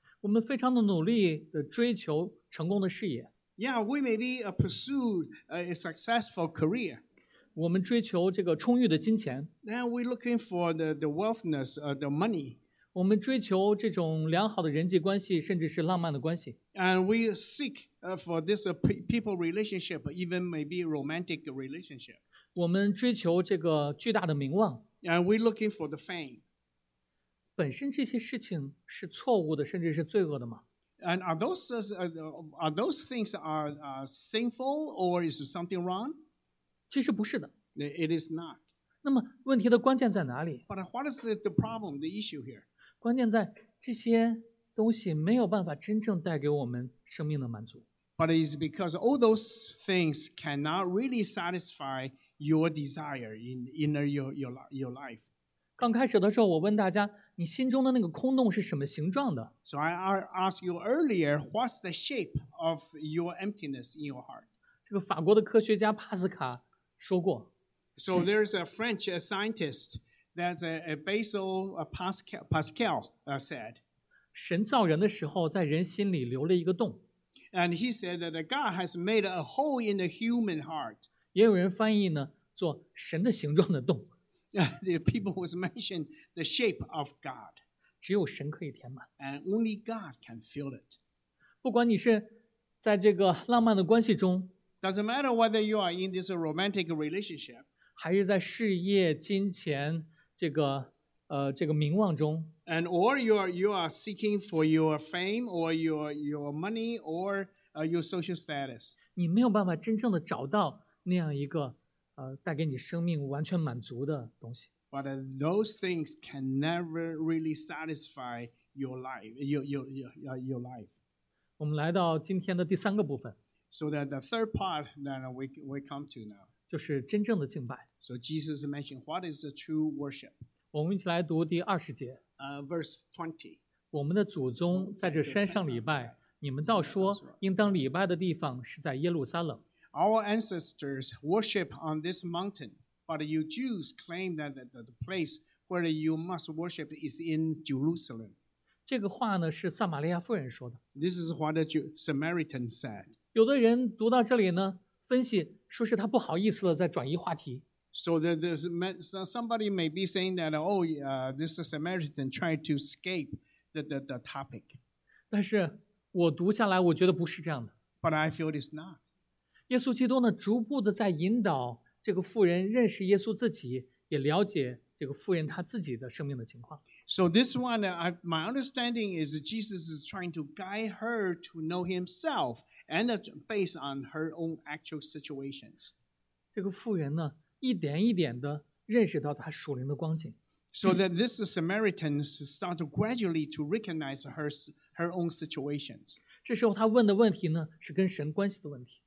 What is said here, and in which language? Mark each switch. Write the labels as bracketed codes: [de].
[zh] 我们非常的努力的追求成功的事业。 [en] Yeah, we may be pursued a successful career. [zh] 我们追求这个充裕的金钱。 [en] Then we're looking for the wealthness, the money. [zh] 我们追求这种良好的人际关系甚至是浪漫的关系。 [en] And we seek for this people relationship, even maybe romantic relationship. [zh] 我们追求这个巨大的名望。 [en] And we're looking for the fame. [zh] 本身这些事情是错误的甚至是罪恶的吗？ [en] And are those things sinful or is something wrong? [zh] 其实不是的。 [en] It is not. [zh] 那么问题的关键在哪里？ [en] But what is the problem, the issue here? [zh] 关键在这些东西没有办法真正带给我们生命的满足。 [en] But it's because all those things cannot really satisfy your desire in your life. [zh] 刚开始的时候我问大家你心中的那个空洞是什么形状的。 [en] So I asked you earlier, what's the shape of your emptiness in your heart? [zh] 这个法国的科学家帕斯卡说过。 [en] So there's a French scientist,That's a Basil Pascal said. [zh] 神造人的时候在人心里留了一个洞。 [en] And he said that God has made a hole in the human heart. [zh] 也有人翻译呢做神的形状的洞。 [en] The people was mentioned the shape of God. [zh] 只有神可以填满。 [en] And only God can fill it. [zh] 不管你是在这个浪漫的关系中。 [en] Doesn't matter whether you are in this romantic relationship. [zh] 还是在事业金钱。这个名望中 [en] and or you are seeking for your fame or your money or your social status. [zh] 你没有办法真正的找到那样一个带给你生命完全满足的东西。 [en] But those things can never really satisfy your life. Your life. [zh] 我们来到今天的第三个部分。 [en] So that the third part that we come to now. [zh] 就是真正的敬拜。 [en] So Jesus mentioned, what is the true worship? [zh] 我们一起来读第二十节。 [en] Verse 20. [zh] 我们的祖宗在这山上礼拜，你们倒说，应当礼拜的地方是在耶路撒冷。 [en] Our ancestors worship on this mountain, but you Jews claim that the place where you must worship is in Jerusalem. [zh] 这个话呢，是撒玛利亚妇人说的。 [en] This is what the Samaritan said. [zh] 有的人读到这里呢，分析说是他不好意思的在转移话题。 [en] So somebody may be saying that, this Samaritan tried to escape the topic. [zh] 但是我读下来我觉得不是这样的。 [en] But I feel it's not. [zh] 耶稣基督呢逐步的在引导这个妇人认识耶稣自己也了解这个妇人他自己的生命的情况。 [en] So this one, my understanding is Jesus is trying to guide her to know himself. And based on her own actual situations. [zh] 这个妇人呢，一点一点地认识到她属灵的光景。 [en] So that this Samaritan started gradually to recognize her own situations. [zh] 这时候她问的问题呢，是跟神关系的问题。